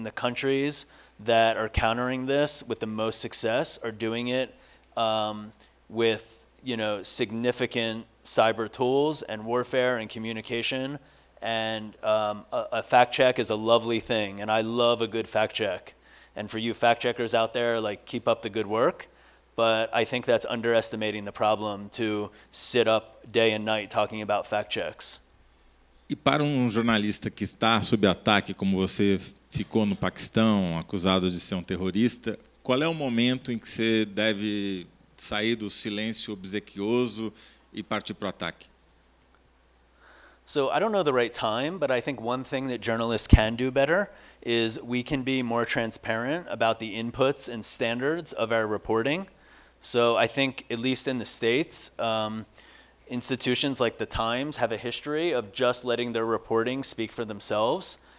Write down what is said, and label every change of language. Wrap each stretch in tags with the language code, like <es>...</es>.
<en>And the countries that are countering this with the most success are doing it with, you know, significant cyber tools and warfare and communication. And a fact check is a lovely thing, and I love a good fact check. And for you fact checkers out there, like, keep up the good work. But I think that's underestimating the problem to sit up day and night talking about fact checks.</en> <pt>E para jornalista que está sob ataque, como você ficou no Paquistão, acusado de ser terrorista, qual é o momento em que você deve sair do silêncio obsequioso e partir para o ataque?</pt> <en>So I don't know the right time, but I think one thing that journalists can do better is we can be more transparent about the inputs and standards of our reporting. So I think, at least in the States, institutions like the Times have a history of just letting their reporting speak for themselves.</en>